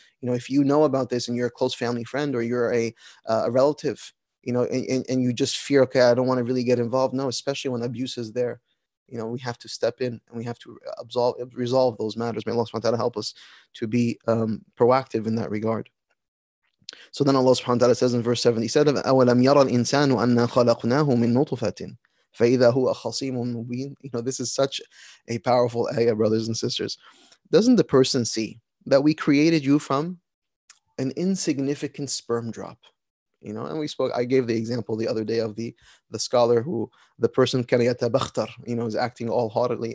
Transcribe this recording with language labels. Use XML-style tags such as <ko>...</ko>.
<en>You know, if you know about this and you're a close family friend or you're a relative, you know, and you just fear, okay, I don't want to really get involved. No, especially when abuse is there, you know, we have to step in and we have to resolve those matters. May Allah subhanahu wa ta'ala help us to be proactive in that regard. So then Allah subhanahu wa ta'ala says in verse 77,</en> <ar>أَوَلَمْ يَرَى الْإِنسَانُ أَنَّا خَلَقْنَاهُ مِن نُطُفَةٍ فَإِذَا هُوَ خَصِيمٌ مُبِينٌ.</ar> <en>You know, this is such a powerful ayah, brothers and sisters. Doesn't the person see that we created you from an insignificant sperm drop? You know, and we spoke, I gave the example the other day of the scholar who, the person,</en> <ar>كَانَ يَتَبَخْتَرْ,</ar> <en>you know, is acting all haughtily.</en>